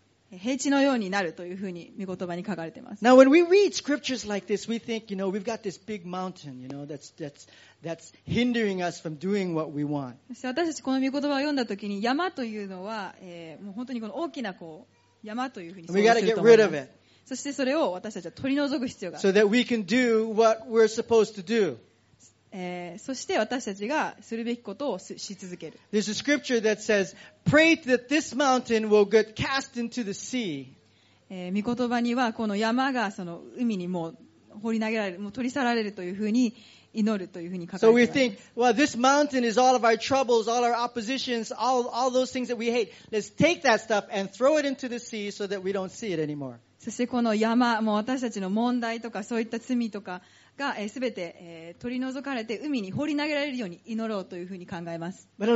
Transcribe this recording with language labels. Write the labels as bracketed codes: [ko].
[ja] 平地のようになるというふうに御言葉に書かれています。 [en] Now when we read scriptures like this, we think, you know, we've got this big mountain, you know, that's hindering us from doing what we want. [ja] 私たちこの御言葉を読んだときに山というのは、もう本当にこの大きなこう山というふうに想像すると思います。そしてそれを私たちは取り除く必要がある。 [en] So that we can do what we're supposed to do. [ja] そして私たちがするべきことをし続ける。 [en] There's a scripture that says, "Pray that this mountain will get cast into the sea." [ja] 御言葉にはこの山がその海にもう放り投げられる、もう取り去られるというふうに祈るというふうに書かれています。 [en] So we think, "Well, this mountain is all of our troubles, all our oppositions, all those things that we hate. Let's take that stuff and throw it into the sea so that we don't see it anymore." [ja] そしてこの山、もう私たちの問題とかそういった罪とか。が全て取り除かれて海に放り投げられるように祈ろうというふうに考えます。